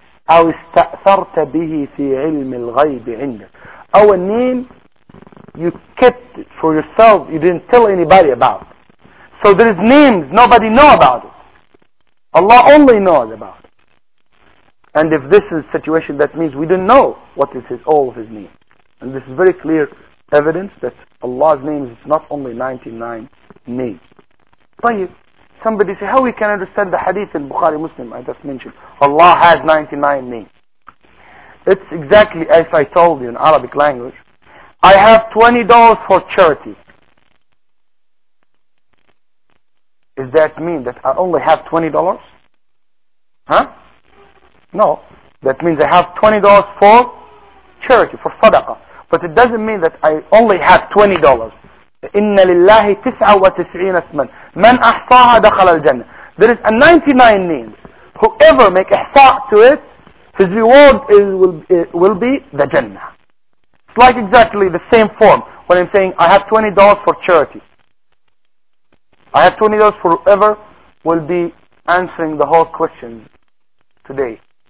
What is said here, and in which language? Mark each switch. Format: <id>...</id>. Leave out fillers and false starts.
<ar>أو استأثرت به في علم الغيب عندك.</ar> <en>أو a name you kept for yourself, you didn't tell anybody about. So there is names nobody know about it. Allah only knows about it. And if this is a situation, that means we don't know what is his, all of his name. And this is very clear evidence that Allah's name is not only 99 names.</en> <ar>طيب.</ar> <en>Somebody say, how we can understand the hadith in Bukhari Muslim, I just mentioned, Allah has 99 names. It's exactly as I told you in Arabic language, I have $20 for charity. Does that mean that I only have $20? Huh? No. That means I have $20 for charity, for sadaqah. But it doesn't mean that I only have $20.</en> <ar>إن لله 99 اسما من أحصاها دخل الجنة.</ar> <en>There is a 99 names. Whoever make ihsa to it, his reward will be the Jannah. It's like exactly the same form when I'm saying I have $20 for charity. I have $20 for whoever will be answering the whole question today.</en>